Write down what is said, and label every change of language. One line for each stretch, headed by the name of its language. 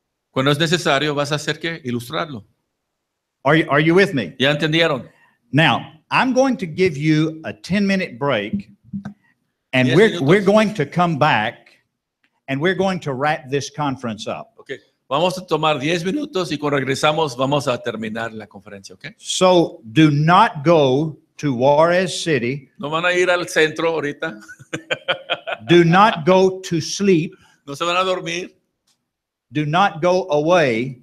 Spanish: Cuando es necesario, vas a hacer que ilustrarlo.
English: Are you with me?
Spanish: ¿Ya entendieron?
English: Now, I'm going to give you a 10-minute break, and we're going to come back, and we're going to wrap this conference up. Okay.
Spanish: Vamos a tomar 10 minutos, y cuando regresamos, vamos a terminar la conferencia, okay?
English: So, do not go to Juarez City.
Spanish: No van a ir al centro ahorita.
English: Do not go to sleep.
Spanish: No se van a dormir.
English: Do not go away.